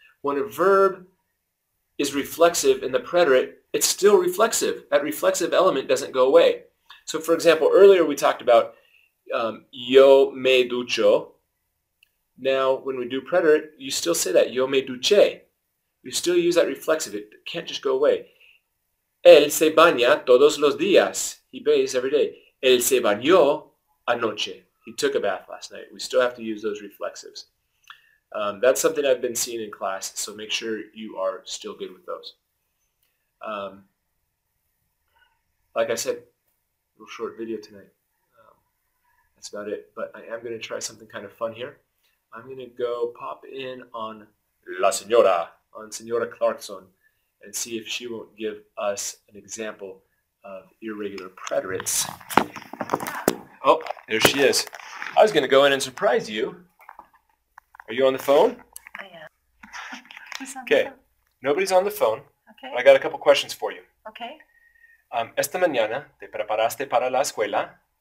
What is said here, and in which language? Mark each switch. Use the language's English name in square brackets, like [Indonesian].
[English] When a verb is reflexive in the preterite, it's still reflexive. That reflexive element doesn't go away. So for example, earlier we talked about [Spanish] yo me ducho. [English] Now when we do preterite, you still say that, [Spanish] yo me duché. [English] You still use that reflexive. It can't just go away. [Spanish] Él se baña todos los días. [English] He bathes every day. [Spanish] Él se bañó anoche. [English] He took a bath last night. We still have to use those reflexives. That's something I've been seeing in class, so make sure you are still good with those. Like I said, a little short video tonight. That's about it, but I am going to try something kind of fun here. I'm going to go pop in on La Señora, on Señora Clarkson, and see if she won't give us an example of irregular preterites. Oh, there she is. I was going to go in and surprise you. Are you on the phone? I am. Who's on the Okay, phone? nobody's on the phone, but I Okay. got a couple questions for you. Okay. [Spanish] Esta mañana te preparaste para la escuela.